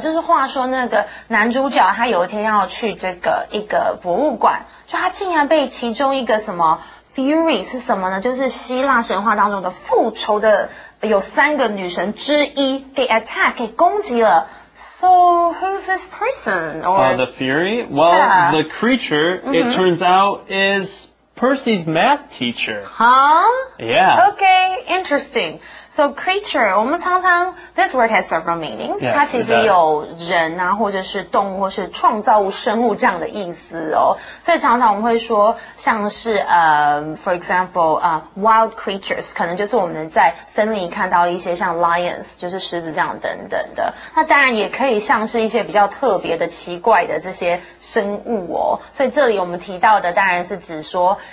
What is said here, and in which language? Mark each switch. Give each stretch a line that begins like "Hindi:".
Chinese: 就是话说那个男主角他有一天要去这个一个博物馆，就他竟然被其中一个什么 fury 是什么呢？就是希腊神话当中的复仇的有三个女神之一给 attack 给攻击了。
English: So, who's this person? The Fury? Well, the creature, it turns out, is Percy's math teacher. Okay, interesting. So, creature,
Chinese: 我们常常,
English: this word has several meanings. Yes,
Chinese: 它其实有人啊，或者是动物，或是创造物生物这样的意思哦。所以常常我们会说，像是
English: for example, wild creatures,
Chinese: 可能就是我们在森林里看到一些像 lions, 就是狮子这样等等的。那当然也可以像是一些比较特别的奇怪的这些生物哦。所以这里我们提到的当然是指说